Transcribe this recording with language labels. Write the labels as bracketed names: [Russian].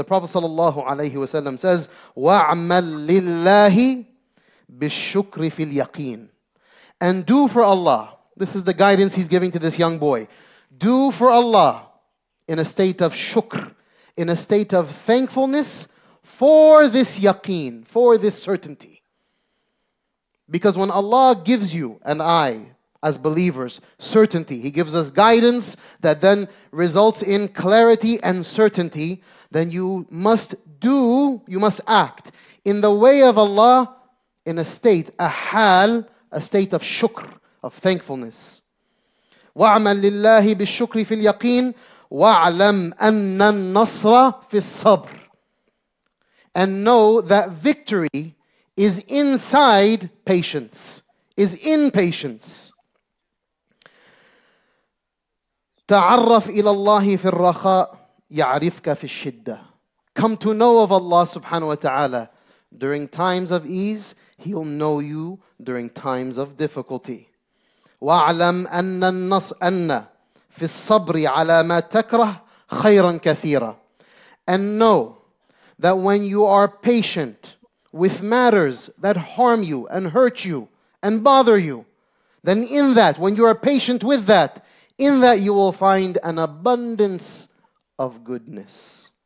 [English] The Prophet ﷺ says, [Arabic] وَعْمَلْ لِلَّهِ بِالشُّكْرِ فِي الْيَقِينِ. [English] And do for Allah. This is the guidance he's giving to this young boy. Do for Allah in a state of shukr, in a state of thankfulness, for this yaqeen, for this certainty. Because when Allah gives you and I, as believers, certainty, He gives us guidance that then results in clarity and certainty, then you must do, you must act in the way of Allah in a state, a hal, a state of shukr, of thankfulness. [Arabic] وَعْمَلْ لِلَّهِ بِالشُّكْرِ فِي الْيَقِينِ وَعْلَمْ أَنَّ النَّصْرَ فِي الصَّبْرِ. [English] And know that victory is inside patience, is in patience. [Arabic] تعرف إلى الله في الرخاء يعرفك في الشدة. [English] Come to know of Allah subhanahu wa ta'ala during times of ease, He'll know you during times of difficulty. [Arabic] وَاعْلَمْ أَنَّ النَّصْرَ أَنَّ فِي الصَّبْرِ عَلَى مَا تَكْرَهْ خَيْرًا كَثِيرًا. [English] And know that when you are patient with matters that harm you and hurt you and bother you, then in that, when you are patient with that, in that you will find an abundance of goodness.